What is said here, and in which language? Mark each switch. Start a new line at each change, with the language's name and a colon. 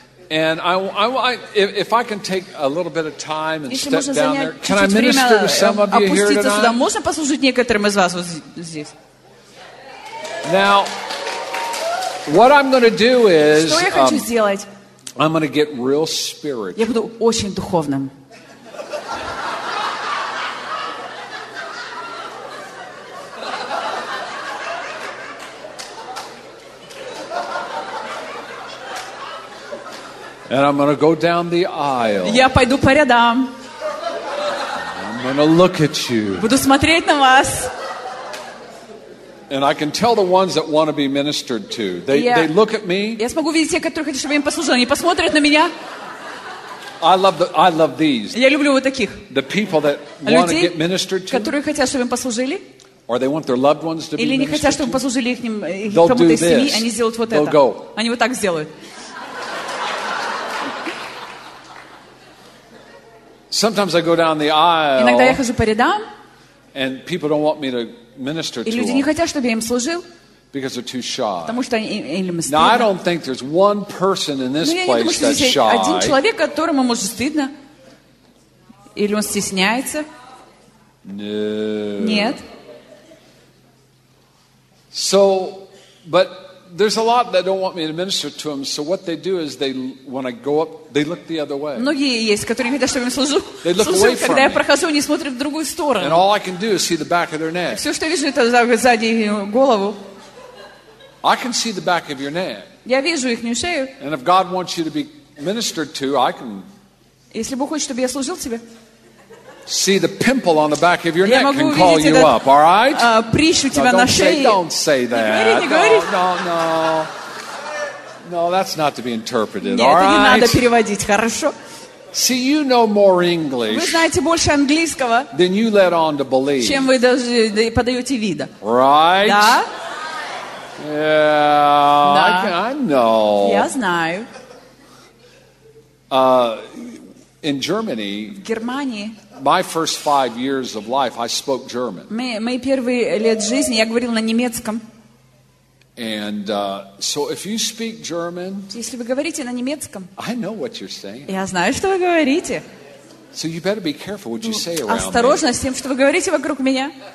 English: And if I can take a little bit of time and step down there, can I minister to some of you here tonight?
Russian: Опуститься сюда. Можно послужить некоторым из вас вот здесь.
English: Now, what I'm going to do is,
Russian: что я хочу сделать?
English: I'm going to get real spiritual.
Russian: Я буду очень духовным.
English: And I'm going to go down the aisle.
Russian: Я пойду по рядам.
English: I'm going to look at you.
Russian: Буду смотреть на вас.
English: And I can tell the ones that want to be ministered to. They look at me.
Russian: Я смогу видеть тех, которые хотят, чтобы им послужили. Они посмотрят на меня.
English: I love these.
Russian: Я люблю вот таких.
English: The people that want to get ministered to.
Russian: Которые хотят, чтобы им послужили.
English: Or they want their loved ones to be ministered to.
Russian: Или не хотят, чтобы послужили их кому-то из семьи. Они сделают вот
English: They'll
Russian: это.
English: Go.
Russian: Они вот так сделают.
English: Sometimes I go down the aisle.
Russian: Иногда я хожу по рядам.
English: And people don't want me to minister to them.
Russian: И люди не хотят, чтобы я им служил.
English: Because they're too shy.
Russian: Потому что они или мы стыдно.
English: Now I don't think there's one person in this place that's shy.
Russian: Но я не думаю, что один человек, которому может стыдно, или он стесняется.
English: No.
Russian: Нет.
English: So, but there's a lot that don't want me to minister to them. So what they do is they, when I go up, they look the other way.
Russian: Многие есть, которые не хотят, чтобы я служу.
English: They look away from me.
Russian: Когда я прохожу, они смотрят в другую сторону.
English: And all I can do is see the back of their neck.
Russian: Все, что я вижу, это сзади голову.
English: I can see the back of your neck.
Russian: Я вижу ихнюю шею.
English: And if God wants you to be ministered to, I can.
Russian: Если Бог хочет, чтобы я служил тебе.
English: See the pimple on the back of your neck and call you up, all right?
Russian: Прищу тебя на шее.
English: Don't say that. No. No, that's not to be interpreted, all right?
Russian: Нет, это не надо переводить, хорошо?
English: See, you know more English.
Russian: Вы знаете больше английского.
English: Than you let on to believe.
Russian: Чем вы даже подаете вида.
English: Right?
Russian: Да.
English: Yeah, I know.
Russian: Я знаю.
English: In Germany.
Russian: В Германии.
English: My first 5 years of life, I spoke German.
Russian: Мои первые лет жизни я говорил на немецком.
English: And so, if you speak German,
Russian: если вы говорите на немецком,
English: I know what you're saying.
Russian: Я знаю, что вы говорите.
English: So you better be careful what you say around me.
Russian: Осторожно с тем, что вы говорите вокруг меня.